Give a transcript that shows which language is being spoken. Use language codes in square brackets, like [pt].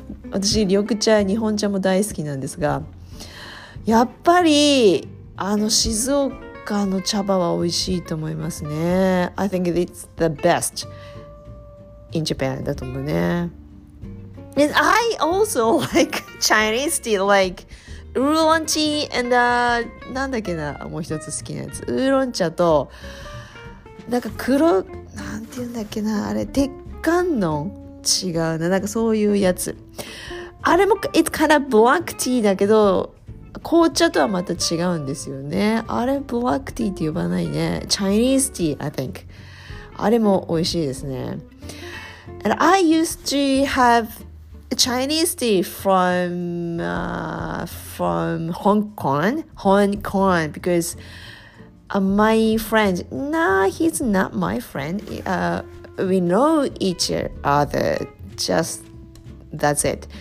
[ja] 私緑茶、日本茶も大好きなんですがやっぱり静岡他の茶葉は美味しいと思いますね。 [en] I think it's the best in Japan [ja] だと思うね。 [en] And I also like Chinese tea, like oolong tea and [ja] なんだっけな、もう一つ好きなやつ。ウーロン茶と、なんか黒、なんていうんだっけな、あれ、鉄観音違うな、なんかそういうやつ。あれも、 [en] it's kind of black tea [ja] だけど、紅茶とはまた違うんですよね。あれ、ブラックティーって呼ばないね。 [en] Chinese tea, I think. [ja] あれも美味しいですね。 [en] And I used to have Chinese tea from Hong Kong, because my friend, he's not my friend. We know each other, just... That's it.